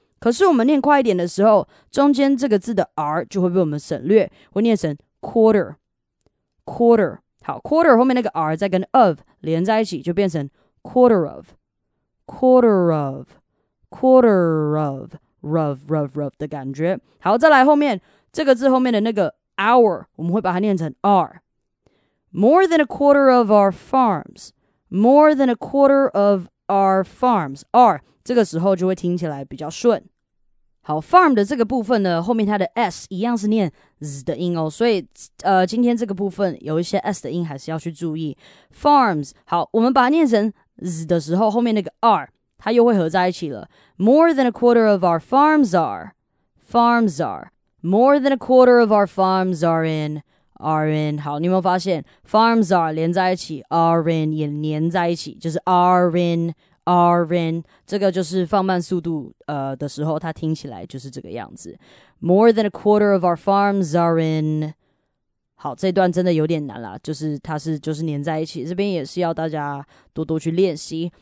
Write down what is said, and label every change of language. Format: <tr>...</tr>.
<zh>可是我们念快一点的时候，中间这个字的 r 就会被我们省略，会念成</zh> <en>quarter, quarter。</en> <zh>好 ，quarter 后面那个 r 再跟 of 连在一起，就变成</zh> <en>quarter of, quarter of, quarter of。 Rough, rough, rough</en> <zh>的感觉。好，再来后面这个字后面的那个 hour， 我们会把它念成 r。</zh> <en>More than a quarter of our farms, more than a quarter of our farms.</en> <zh>R 这个时候就会听起来比较顺。好 ，farm 的这个部分呢，后面它的 s 一样是念 z 的音哦，所以今天这个部分有一些 s 的音还是要去注意。 Farms， 好，我们把它念成 z 的时候，后面那个 r。它又会合在一起了。</zh> <en>More than a quarter of our farms are, farms are. More than a quarter of our farms are in.</en> <zh>好，你有没有发现</zh> <en>farms are</en> <zh>连在一起 ，are in 也连在一起，就是</zh> <en>are in, are in。</en> <zh>这个就是放慢速度的时候，它听起来就是这个样子。</zh> <en>More than a quarter of our farms are in。</en> <zh>好，这段真的有点难啦，就是它是就是连在一起，这边也是要大家多多去练习。</zh>